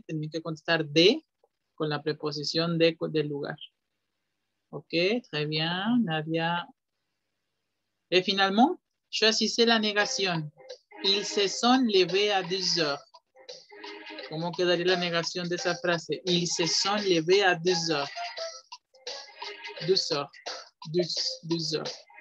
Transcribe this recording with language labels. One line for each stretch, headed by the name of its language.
Spanish: Tenía que contestar de con la preposición de del lugar. Ok,
French: très bien,
Spanish: Nadia. Y finalmente,
French: choisissez
Spanish: la negación.
French: Ils se sont levés à 10 heures.
Spanish: ¿Cómo quedaría la negación de esa frase?
French: Ils se sont levés à 10 heures. 12 heures. 12 heures.